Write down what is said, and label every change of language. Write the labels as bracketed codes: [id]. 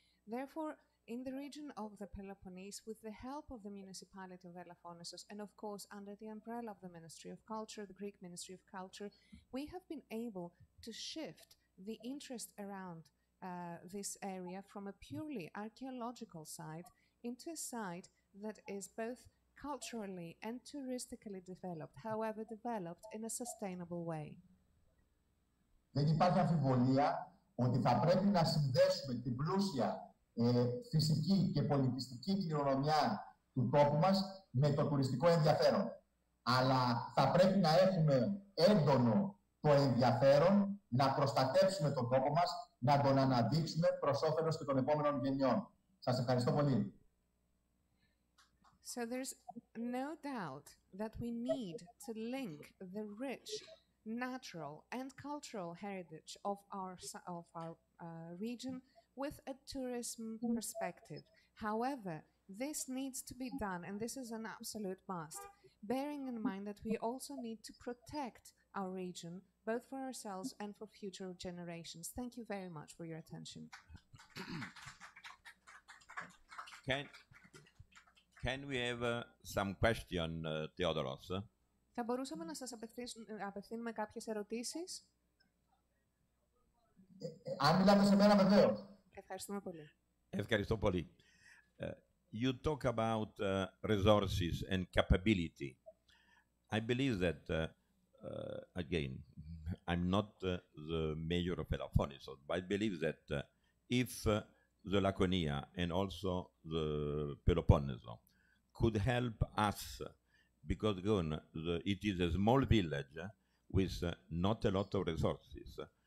[en] Therefore, in the region of the Peloponnese, with the help of the municipality of Elafonisos, and of course under the umbrella of the Ministry of Culture, the Greek Ministry of Culture, we have been able to shift the interest around this area from a purely archaeological site into a site that is both culturally and touristically developed, however developed in a sustainable way. [el] Δεν υπάρχει αμφιβολία ότι θα πρέπει να συνδέσουμε την πλούσια φυσική και πολιτιστική κληρονομιά του τόπου μας με το τουριστικό ενδιαφέρον. Αλλά θα πρέπει να έχουμε έντονο το ενδιαφέρον να προστατεύσουμε τον τόπο μας, να τον αναδείξουμε προς όφελος και των επόμενων γενιών. Σας ευχαριστώ πολύ. [en] So there's no doubt that we need to link the rich natural and cultural heritage of our region with a tourism perspective. However, this needs to be done, and this is an absolute must, bearing in mind that we also need to protect our region, both for ourselves and for future generations. Thank you very much for your attention. Can we have some question, Theodoros? [el] Θα μπορούσαμε να σας απευθύνουμε κάποιες ερωτήσεις. Αν μιλάτε σε μένα, βεβαίως. Ευχαριστούμε πολύ. Ευχαριστώ πολύ. [en] You talk about resources and capability. I believe that, again, I'm not the mayor of Elafonisos, but I believe that if the Laconia and also the Peloponneso could help us, because again, it is a small village with not a lot of resources.